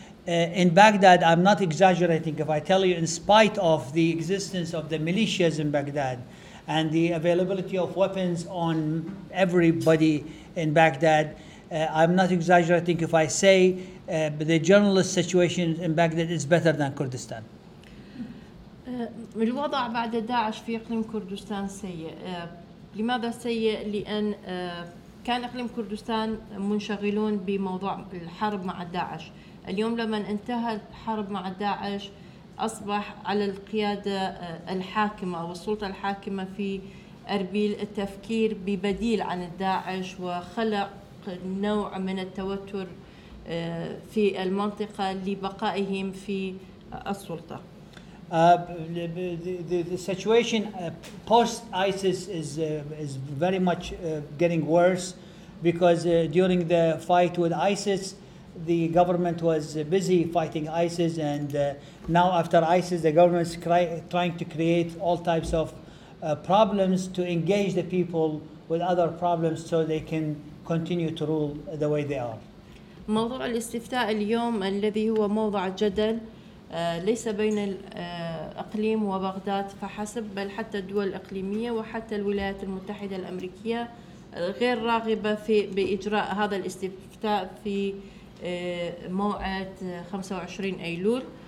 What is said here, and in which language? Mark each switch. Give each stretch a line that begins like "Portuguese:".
English: In Baghdad, I'm not exaggerating if I tell you, in spite of the existence of the militias in Baghdad and the availability of weapons on everybody in Baghdad, I'm not exaggerating if I say the journalist situation in Baghdad is better than Kurdistan.
Arabic: الوضع بعد داعش في إقليم كردستان سيء. لماذا سيء؟ لأن كان إقليم كردستان منشغلون بموضوع الحرب مع داعش. اليوم لما انتهى الحرب مع داعش أصبح على القيادة الحاكمة أو السلطة الحاكمة في أربيل التفكير ببديل عن داعش وخلق نوع من التوتر في المنطقة لبقائهم في السلطة.
English: The situation post ISIS is very much getting worse because during the fight with ISIS, the government was busy fighting ISIS, and now after ISIS, the government is trying to create all types of problems to engage the people with other problems so they can continue to rule the way they are.
Arabic: موضوع الاستفتاء اليوم الذي هو موضع جدل ليس بين الإقليم وبغداد فحسب، بل حتى الدول الإقليمية وحتى الولايات المتحدة الأمريكية غير راغبة في بإجراء هذا الاستفتاء في موعد 25 أيلول.